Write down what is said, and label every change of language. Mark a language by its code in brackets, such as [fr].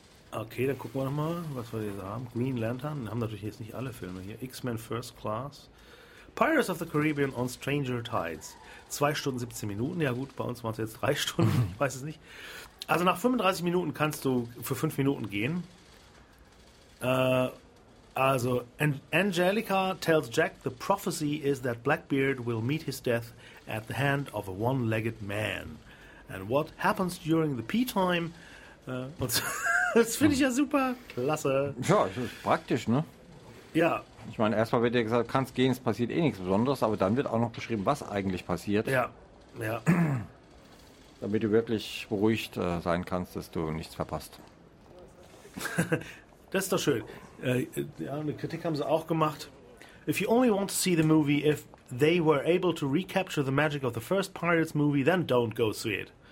[de] Okay, dann gucken wir nochmal, was wir jetzt haben. Green Lantern. Wir haben natürlich jetzt nicht alle Filme hier. X-Men First Class. Pirates of the Caribbean on Stranger Tides. 2 Stunden 17 Minuten. Ja gut, bei uns waren es jetzt 3 Stunden. Ich weiß es nicht. Also nach 35 Minuten kannst du für 5 Minuten gehen. Also [en] Angelica tells Jack the prophecy is that Blackbeard will meet his death at the hand of a one-legged man. And what happens during the pee time? [de] Das finde ich ja super. Klasse. Ja, das ist praktisch, ne? Ja. Ich meine, erstmal wird dir gesagt, kannst gehen, es passiert eh nichts Besonderes, aber dann wird auch noch beschrieben, was eigentlich passiert. Ja, ja. Damit du wirklich beruhigt sein kannst, dass du nichts verpasst. Das ist doch schön. Ja, eine Kritik haben sie auch gemacht. [en] If you only want to see the movie, if they were able to recapture the magic of the first Pirates movie, then don't go see it.